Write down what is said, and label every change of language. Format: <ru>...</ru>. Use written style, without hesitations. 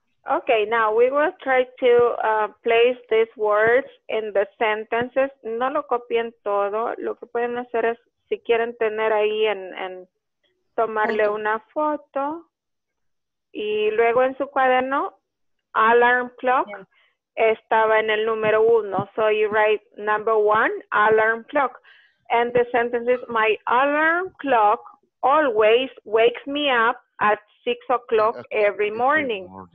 <en>Okay, now we will try to place these words in the sentences.</en> <es>No lo copien todo. Lo que pueden hacer es, si quieren tener ahí en tomarle una foto. Y luego en su cuaderno, alarm clock estaba en el número uno.</es> <en>So you write number one, alarm clock. And the sentence is, my alarm clock always wakes me up at 6 o'clock every morning.</en>